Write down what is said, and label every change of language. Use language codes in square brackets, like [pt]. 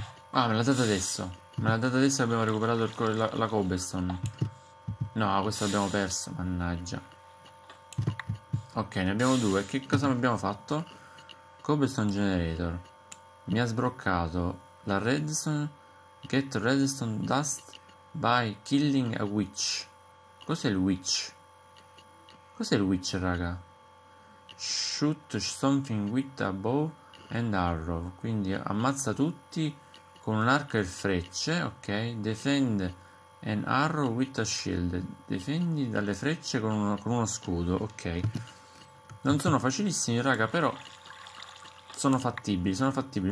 [it] Ah, me l'ha data adesso. Me l'ha data adesso, abbiamo recuperato la cobblestone. No, questo l'abbiamo perso, mannaggia. Ok, ne abbiamo due. Che cosa abbiamo fatto? Cobblestone generator. Mi ha sbroccato la redstone. [en] Get redstone dust by killing a witch. [it] Cos'è il witch? Cos'è il witch, raga? [en] Shoot something with a bow and arrow. [it] Quindi ammazza tutti con un arco e frecce. [en] Ok, defend. An arrow with a shield. [it] Difendi dalle frecce con uno scudo. Ok. Non sono facilissimi, raga, però sono fattibili. Sono fattibili.